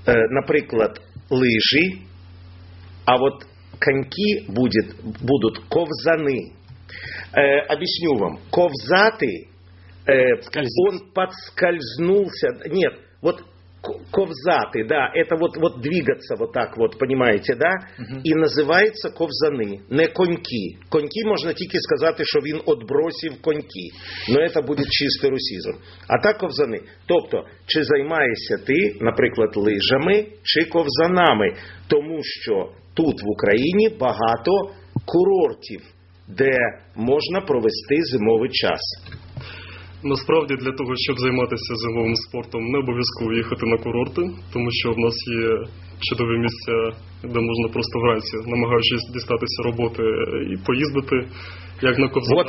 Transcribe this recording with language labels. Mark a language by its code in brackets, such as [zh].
[uk] Наприклад, лижі, а от коньки будуть ковзани. Об'ясню вам, ковзати, він підскользнувся, ні, от... [ru] Ковзати, да, это вот двигаться вот так вот, понимаете, да? Uh-huh. И называется ковзаны, не коньки. Коньки можно только сказать, что он отбросил коньки. Но это будет чистый русизм. А так ковзаны. [uk] Тобто, чи займаєшся ти, наприклад, лижами, чи ковзанами? Тому що тут в Україні багато курортів, де можна провести зимовий час. Насправді, для того, щоб займатися зимовим спортом, не обов'язково їхати на курорти, тому що в нас є чудові місця, де можна просто вранці, намагаючись дістатися роботи і поїздити, як на ковзанах.